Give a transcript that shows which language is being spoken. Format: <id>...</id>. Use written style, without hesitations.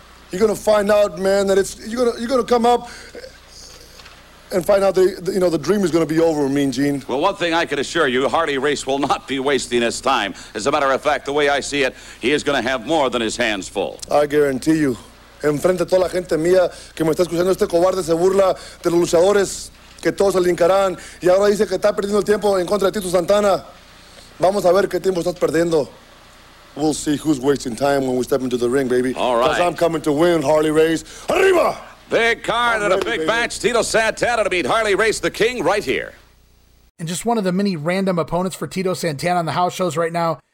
<en>You're going to find out, man, that you're going to come up and find out the dream is going to be over, Mean Gene. Well, one thing I can assure you, Harley Race will not be wasting his time. As a matter of fact, the way I see it, he is going to have more than his hands full. I guarantee you.</en> <es>Enfrente toda la gente mía que me está escuchando, este cobarde se burla de los luchadores que todos se linkarán, y ahora dice que está perdiendo tiempo en contra de Tito Santana. Vamos a ver qué tiempo estás perdiendo.</es> <en>We'll see who's wasting time when we step into the ring, baby. All right. Because I'm coming to win, Harley Race. Arriba! Big card and ready, a big baby. Match. Tito Santana to beat Harley Race, the king, right here. And just one of the many random opponents for Tito Santana on the house shows right now.</en>